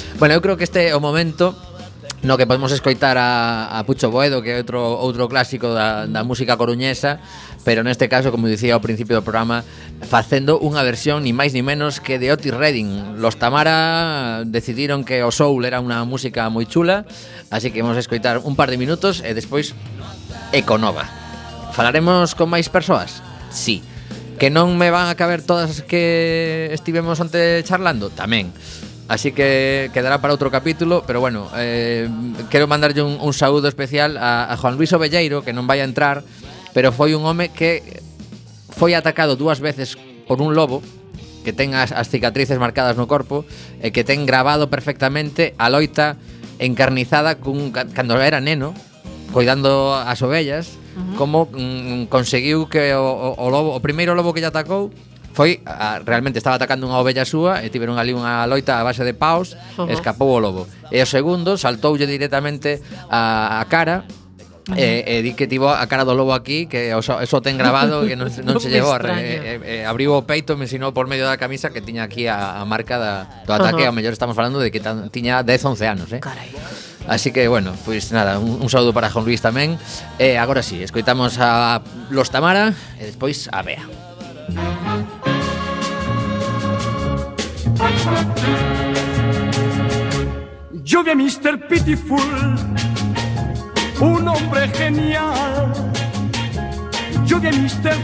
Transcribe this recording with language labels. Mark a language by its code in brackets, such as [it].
[gl] Bueno, eu creo que este é o momento no que podemos escoitar a Pucho Boedo, que é outro clásico da música coruñesa, pero neste caso, como dicía ao principio do programa, facendo unha versión ni máis ni menos que de Otis Redding. Los Tamara decidiron que o soul era unha música moi chula, así que vamos a escoitar un par de minutos e despois Econova. Falaremos con máis persoas? Sí. Que non me van a caber todas as que estivemos onte charlando? Tamén. Así que quedará para outro capítulo. Pero bueno, quero mandarlle un saúdo especial a Juan Luis Ovelleiro, que non vai a entrar, pero foi un home que foi atacado dúas veces por un lobo, que ten as cicatrices marcadas no corpo e que ten grabado perfectamente a loita encarnizada cando era neno cuidando as ovellas. Uh-huh. Como conseguiu que o primeiro lobo que lle atacou foi realmente estaba atacando unha ovella súa e tiveron ali unha loita a base de paus. Uh-huh. Escapou o lobo e o segundo saltoulle directamente a cara. Uh-huh. Di que tivo a cara do lobo aquí, que eso ten grabado, que non se llevou. Abriu o peito, me ensinou por medio da camisa que tiña aquí a marca do ataque. Uh-huh. O mellor estamos falando de que tiña 10-11 anos. Carai. Así que bueno, pues nada, un saludo para Juan Luis tamén. Agora sí, escoitamos a Los Tamara e despois a Bea. [es] Yo vi a Mr. Pitiful, un hombre genial, yo vi a Mr.